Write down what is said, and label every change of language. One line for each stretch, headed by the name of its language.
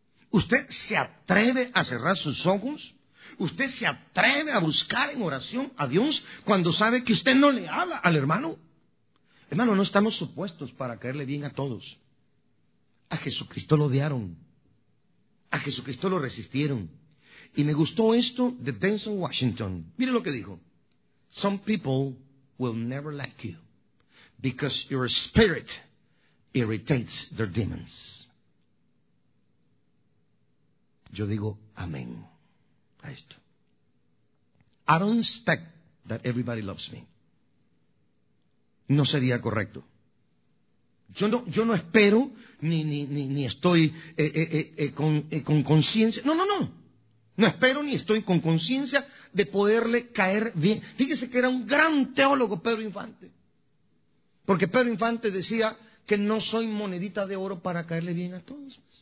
Spanish: ¿Usted se atreve a cerrar sus ojos? ¿Usted se atreve a buscar en oración a Dios cuando sabe que usted no le habla al hermano? Hermano, no estamos supuestos para caerle bien a todos. A Jesucristo lo odiaron. A Jesucristo lo resistieron. Y me gustó esto de Denzel Washington. Mire lo que dijo.
English: Some people will never like you because your spirit irritates their demons.
Spanish: Yo digo amén a esto.
English: I don't expect that everybody loves me.
Spanish: No sería correcto. Yo no espero ni estoy con conciencia. No. No espero ni estoy con conciencia de poderle caer bien. Fíjese que era un gran teólogo Pedro Infante. Porque Pedro Infante decía que no soy monedita de oro para caerle bien a todos.